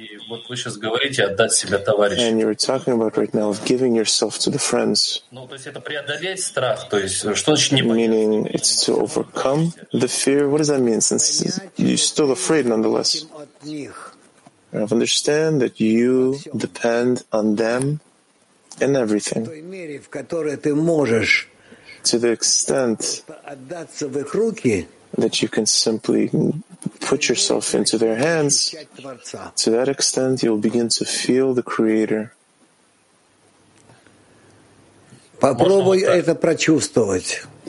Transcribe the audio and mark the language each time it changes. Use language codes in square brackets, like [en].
[ru] Вот вы сейчас говорите отдать себя товарищу. [en] And you were talking about right now of giving yourself to the friends. [ru] Ну, то есть это преодолеть страх, то есть что значит не бояться? [en] Meaning it's to overcome the fear. What does that mean? Since you're still afraid nonetheless. I understand that you depend on them and everything. [ru] В которой ты можешь. [en] To the extent [ru] отдаться в их руки. [en] That you can simply put yourself into their hands, to that extent you'll begin to feel the Creator. [ru] Попробуй это прочувствовать.